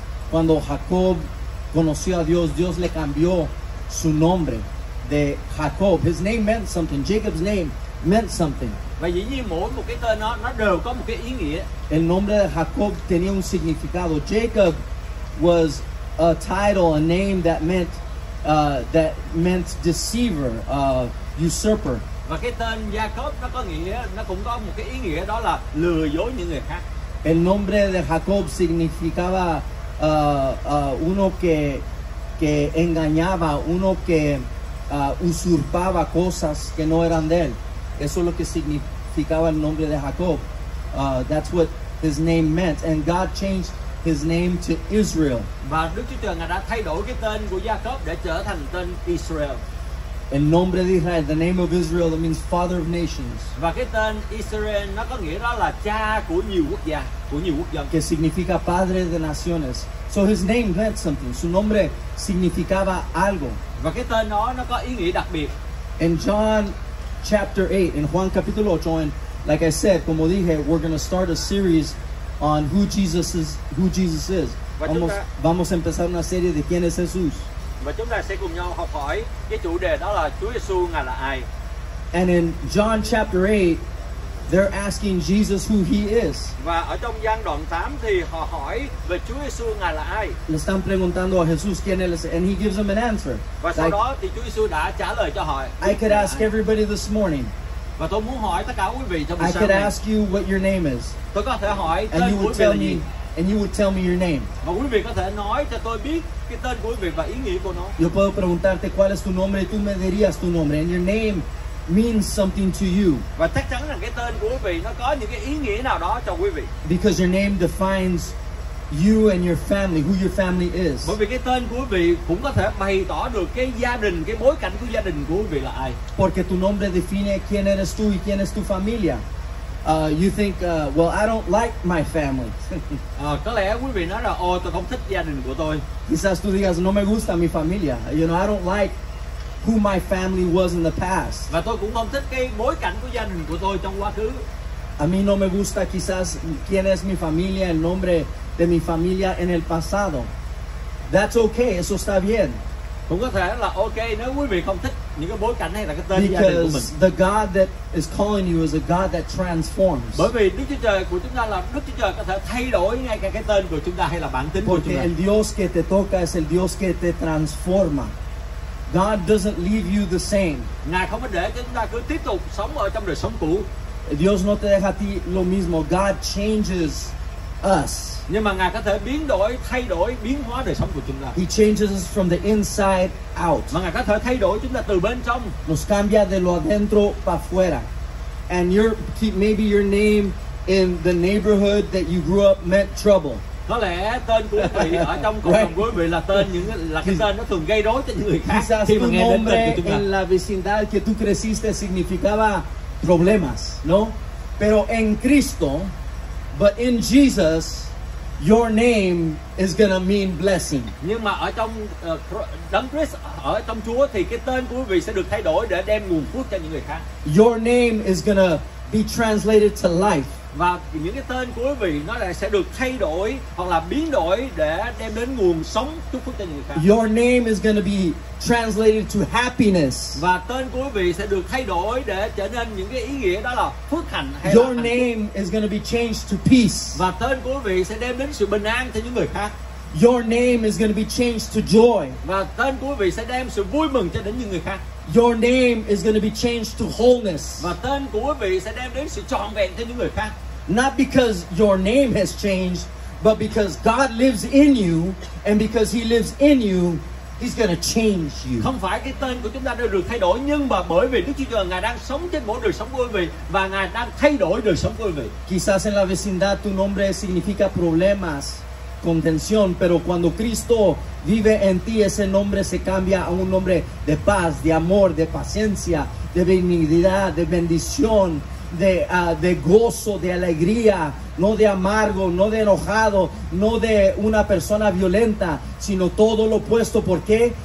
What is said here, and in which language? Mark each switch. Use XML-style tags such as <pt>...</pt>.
<es>Cuando Jacob conoció a Dios, Dios le cambió su nombre de Jacob.</es> <en>His name meant something. Jacob's name meant something.</en> <vi>Và dĩ nhiên mỗi một cái tên nó đều có một cái ý nghĩa.</vi> <es>El nombre de Jacob tenía un significado.</es> <en>Jacob was a title, a name that meant deceiver, usurper.</en> <vi>Và cái tên Jacob nó cũng có một cái ý nghĩa, đó là lừa dối những người khác.</vi> <es>El nombre de Jacob significaba uno que engañaba, uno que usurpaba cosas que no eran de él. Eso es lo que significaba el nombre de Jacob.</es> <en>That's what his name meant. And God changed his name to Israel.</en> <vi>Và Đức Chúa Trời Ngài đã thay đổi cái tên của Jacob để trở thành tên Israel.</vi> <es>El nombre de Israel,</es> <en>the name of Israel, that means father of nations.</en> <vi>Và cái tên Israel nó có nghĩa đó là cha của nhiều quốc gia, của nhiều quốc dân.</vi> <es>Que significa padre de naciones.</es> <en>So his name meant something.</en> <es>Su nombre significaba algo.</es> <vi>Và cái tên nó có ý nghĩa đặc biệt.</vi> <en>In John chapter 8,</en> <es>in Juan capítulo 8,</es> <en>and like I said,</en> <es>como dije,</es> <en>we're going to start a series on who Jesus is.</en> <es>Vamos a empezar una serie de quién es Jesús.</es> <vi>Và chúng ta sẽ cùng nhau học hỏi cái chủ đề đó là Chúa Giêsu Ngài là ai.</vi> <en>And in John chapter 8, they're asking Jesus who he is.</en> <vi>Và ở trong Giăng đoạn 8 thì họ hỏi về Chúa Giêsu Ngài là ai.</vi> <es>Le están preguntando a Jesús quién es,</es> <en>and he gives them an answer.</en> <vi>Và sau đó thì Chúa Giêsu đã trả lời cho họ.</vi> <en>I could ask everybody this morning.</en> <vi>Và tôi muốn hỏi tất cả quý vị trong buổi sáng.</vi> <en>Ask you what your name is.</en> <vi>Tôi có thể hỏi tên quý vị là gì.</vi> <en>And you would tell me your name.</en> <vi>Và quý vị có thể nói cho tôi biết cái tên của quý vị và ý nghĩa của nó.</vi> <es>Yo puedo preguntarte cuál es tu nombre, tú me dirías tu nombre.</es> <en>And your name means something to you.</en> <vi>Và chắc chắn rằng cái tên của quý vị nó có những cái ý nghĩa nào đó cho quý vị.</vi> <en>Because your name defines you and your family, who your family is.</en> <vi>Bởi vì cái tên của quý vị cũng có thể bày tỏ được cái gia đình, cái bối cảnh của gia đình của quý vị là ai.</vi> <es>Porque tu nombre define quién eres tú y quién es tu familia.</es> <en>You think, well, I don't like my family.</en> <vi>Có lẽ quý vị nói là, ô, tôi không thích gia đình của tôi.</vi> <es>Quizás tú digas, no me gusta mi familia.</es> <en>You know, I don't like who my family was in the past.</en> <vi>Và tôi cũng không thích cái bối cảnh của gia đình của tôi trong quá khứ.</vi> <es>A mí no me gusta quizás quién es mi familia, el nombre de mi familia en el pasado.</es> <en>That's okay,</en> <es>eso está bien.</es> <vi>Cũng có thể là okay nếu quý vị không thích những cái bối cảnh hay là cái tên</vi> <en>Because</en> <vi>gia đình của mình.</vi> <en>Because the God that is calling you is a God that transforms.</en> <vi>Bởi vì Đức Chúa Trời của chúng ta là Đức Chúa Trời có thể thay đổi ngay cả cái tên của chúng ta hay là bản tính</vi> <es>Porque</es> <vi>của chúng ta.</vi> <es>El Dios que te toca es el Dios que te transforma.</es> <en>God doesn't leave you the same.</en> <vi>Ngài không có để chúng ta cứ tiếp tục sống ở trong đời sống cũ.</vi> <es>Dios no te deja a ti lo mismo.</es> <en>God changes us.</en> <vi>Nhưng mà Ngài có thể biến đổi, thay đổi, biến hóa đời sống của chúng ta.</vi> <en>He changes us from the inside out.</en> <vi>Mà Ngài có thể thay đổi chúng ta từ bên trong.</vi> <es>Nos cambia de lo adentro para fuera.</es> <en>And your maybe your name in the neighborhood that you grew up meant trouble.</en> <vi>Có lẽ tên của quý vị ở trong cộng đồng quý vị là tên những là cái tên nó thường gây rối cho những người khác.</vi> <es>Quizás tu nombre en la vecindad que tú creciste significaba problemas, ¿no? Pero en Cristo,</es> <en>but in Jesus, your name is gonna mean blessing.</en> <vi>Nhưng mà ở trong đấng Christ, ở trong Chúa thì cái tên của quý vị sẽ được thay đổi để đem nguồn phước cho những người khác.</vi> <en>Your name is gonna be translated to life.</en> <vi>Và những cái tên của quý vị nó lại sẽ được thay đổi hoặc là biến đổi để đem đến nguồn sống chúc phúc cho người khác.</vi> <en>Your name is gonna be translated to happiness.</en> <vi>Và tên của quý vị sẽ được thay đổi để trở nên những cái ý nghĩa đó là phước hạnh hay</vi> <en>Your</en> <vi>là</vi> <en>name is gonna be changed to peace.</en> <vi>Và tên của quý vị sẽ đem đến sự bình an cho những người khác.</vi> <en>Your name is gonna be changed to joy.</en> <vi>Và tên của quý vị sẽ đem sự vui mừng cho đến những người khác.</vi> <en>Your name is going to be changed to wholeness.</en> <vi>Và tên của quý vị sẽ đem đến sự trọn vẹn cho những người khác.</vi> <en>Not because your name has changed, but because God lives in you, and because He lives in you, He's going to change you.</en> <vi>Không phải cái tên của chúng ta đã được thay đổi, nhưng mà bởi vì Đức Chúa Trời Ngài đang sống trên mỗi đời sống của quý vị và Ngài đang thay đổi đời sống của quý vị.</vi> <es>Quizás en la vecindad tu nombre significa problemas, contención, pero cuando Cristo vive en ti, ese nombre se cambia a un nombre de paz, de amor, de paciencia, de benignidad, de bendición, de gozo, de alegría, no de amargo, no de enojado, no de una persona violenta, sino todo lo opuesto. ¿Por qué?</es>